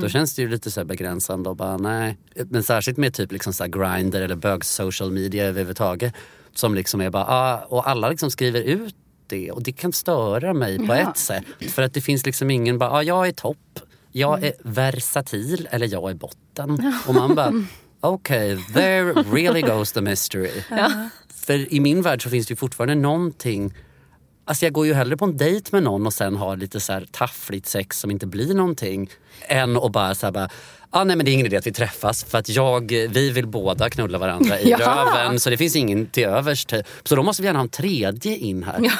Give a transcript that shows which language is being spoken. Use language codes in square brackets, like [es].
[sv] Då känns det ju lite så här begränsande och bara nej. Men särskilt med typ liksom så här Grindr eller bög social media överhuvudtaget. Som liksom är bara, ah, och alla liksom skriver ut det. Och det kan störa mig på ett sätt. För att det finns liksom ingen bara, ah, jag är topp. Jag är versatil eller jag är botten. Och man bara, okej, [en] there really goes the mystery. [sv] Ja. För i min värld så finns det ju fortfarande någonting. Alltså jag går ju hellre på en dejt med någon och sen har lite så här taffligt sex som inte blir någonting. Än att bara så här bara, ah, nej men det är ingen idé att vi träffas. För att vi vill båda knulla varandra i röven. Så det finns ingen till övers. Så då måste vi gärna ha en tredje in här.